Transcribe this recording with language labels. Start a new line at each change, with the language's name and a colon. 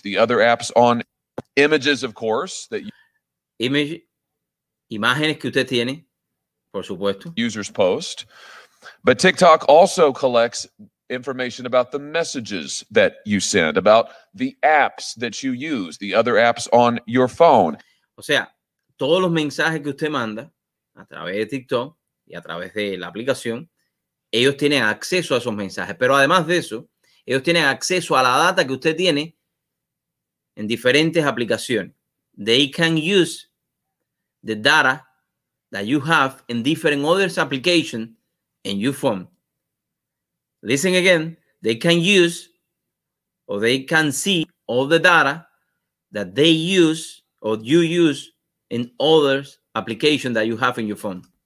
English: The other apps on images, of course, that you...
Spanish: Imágenes que usted tiene, por supuesto.
English: Users post. But TikTok also collects information about the messages that you send, about the apps that you use, the other apps on your phone.
Spanish: O sea, todos los mensajes que usted manda a través de TikTok y a través de la aplicación, ellos tienen acceso a esos mensajes. Pero además de eso, ellos tienen acceso a la data que usted tiene en diferentes aplicaciones.
English: They can use the data that you have in different other applications in your phone. Listen again, they can use or they can see all the data that they use or you use in other applications that you have in your phone.